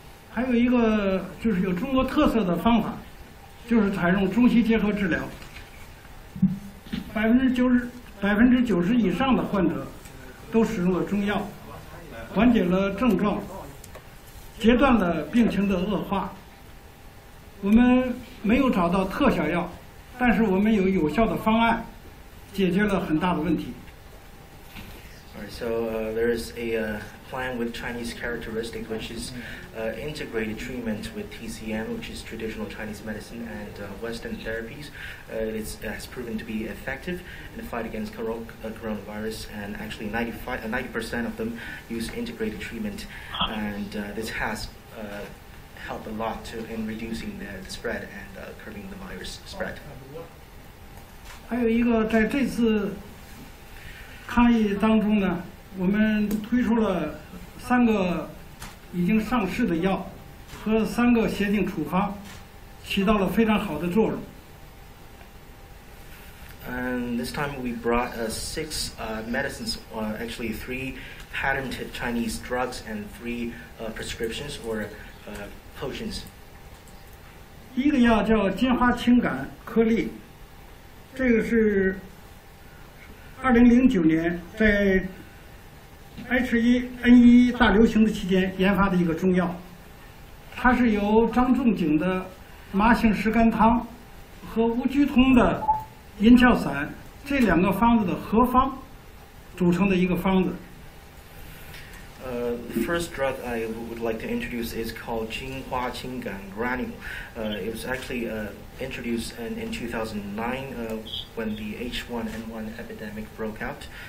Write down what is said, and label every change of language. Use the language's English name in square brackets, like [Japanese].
[Chinese] 还有一个就是有中国特色的方法，就是采用中西结合治疗。90%以上的患者都使用了中药，缓解了症状，截断了病情的恶化。我们没有找到特效药，但是我们有有效的方案，解决了很大的问题。 [English] So there is a plan with Chinese characteristic, which is integrated treatment with TCM, which is traditional Chinese medicine, and Western therapies. It has proven to be effective in the fight against coronavirus, and actually 90% of them use integrated treatment, and this has helped a lot to in reducing the spread and curbing the virus spread. [Chinese] 还有一个在这次抗疫当中呢, 我们推出了三个已经上市的药和三个协定处方, 起到了非常好的作用。 [English] And this time we brought six medicines, actually three patented Chinese drugs and three prescriptions or potions. [Chinese] 一个药叫金花清感颗粒, 这个是 2009年在 H1N1大流行的期间研发的一个中药, 它是由张仲景的麻杏石甘汤和吴鞠通的银翘散 这两个方子的合方组成的一个方子。 [English] The first drug I would like to introduce is called Jinghua Qinggan Granule. It was actually introduced in 2009 when the H1N1 epidemic broke out.